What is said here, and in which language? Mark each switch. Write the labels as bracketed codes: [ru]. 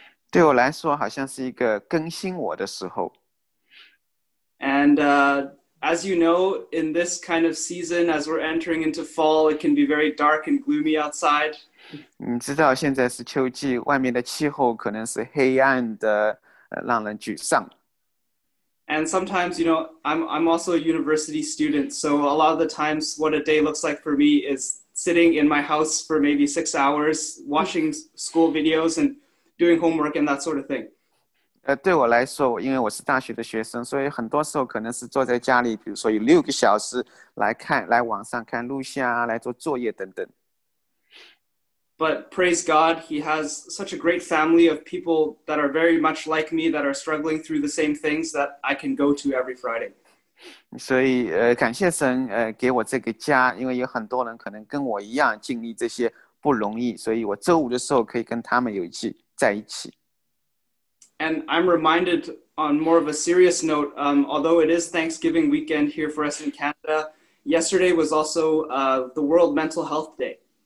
[zh] 对我来说好像是一个更新我的时候。 [en] And as you know, in this kind of season, as we're entering into fall, it can be very dark and gloomy outside. [zh] 你知道现在是秋季，外面的气候可能是黑暗的，让人沮丧。 [en] And sometimes, you know, I'm also a university student, so a lot of the times what a day looks like for me is sitting in my house for maybe 6 hours, watching school videos and doing homework and that sort of thing. [zh] 对我来说，因为我是大学的学生，所以很多时候可能是坐在家里，比如说有6个小时来看，来网上看录像，来做作业等等。 [en] But praise God, he has such a great family of people that are very much like me, that are struggling through the same things that I can go to every Friday. [zh] 所以感谢神给我这个家，因为有很多人可能跟我一样经历这些不容易，所以我周五的时候可以跟他们有一起在一起。 [en] And I'm reminded on more of a serious note, although it is Thanksgiving weekend here for us in Canada, yesterday was also the World Mental Health Day.